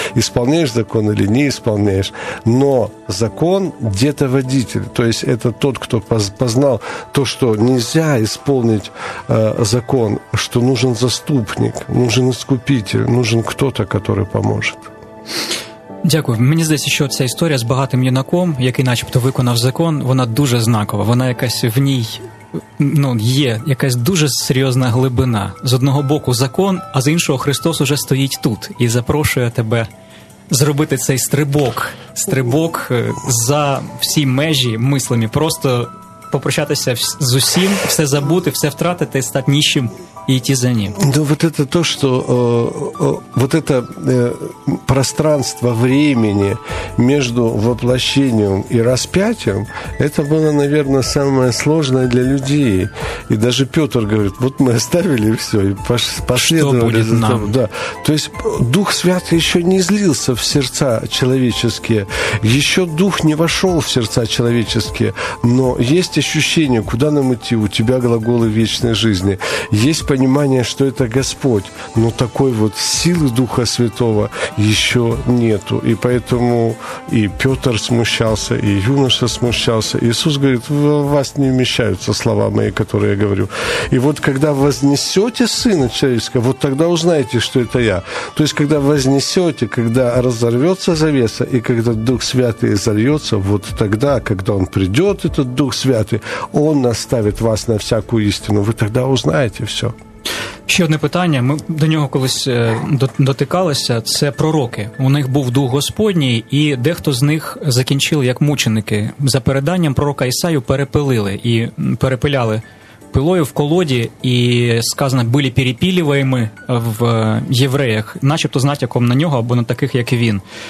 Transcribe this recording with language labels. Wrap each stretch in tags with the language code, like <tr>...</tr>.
<ru>Исполняешь закон или не исполняешь. Но закон – детоводитель. То есть это тот, кто познал то, что нельзя исполнить закон, что нужен заступник, нужен искупитель, нужен кто-то, который поможет.</ru> <uk>Дякую. Мені здається, що ця історія з багатим юнаком, який начебто виконав закон, вона дуже знакова. Вона якась в ній, ну, є якась дуже серйозна глибина. З одного боку закон, а з іншого Христос уже стоїть тут і запрошує тебе зробити цей стрибок. Стрибок за всі межі мислями. Просто попрощатися з усім, все забути, все втратити, стати нищим.</uk> <ru>И идти за ним. Ну, вот это то, что вот это пространство времени между воплощением и распятием, это было, наверное, самое сложное для людей. И даже Петр говорит: вот мы оставили все и последовали за нам. Да. То есть Дух Святый еще не излился в сердца человеческие, еще Дух не вошел в сердца человеческие, но есть ощущение, куда нам идти, у тебя глаголы вечной жизни. Есть понимание, что это Господь, но такой вот силы Духа Святого еще нету. И поэтому и Петр смущался, и юноша смущался. Иисус говорит: в вас не вмещаются слова мои, которые я говорю. И вот когда вознесете Сына Человеческого, вот тогда узнаете, что это я. То есть когда вознесете, когда разорвется завеса, и когда Дух Святый зальется, вот тогда, когда Он придет, этот Дух Святый, Он наставит вас на всякую истину, вы тогда узнаете все.</ru> <uk>Ще одне питання, ми до нього колись дотикалися, це пророки. У них був Дух Господній, і дехто з них закінчили як мученики. За переданням пророка Ісаю перепилили, і перепиляли пилою в колоді, і сказано, були перепілюваємі в євреях, начебто з натяком на нього або на таких, як він.</uk>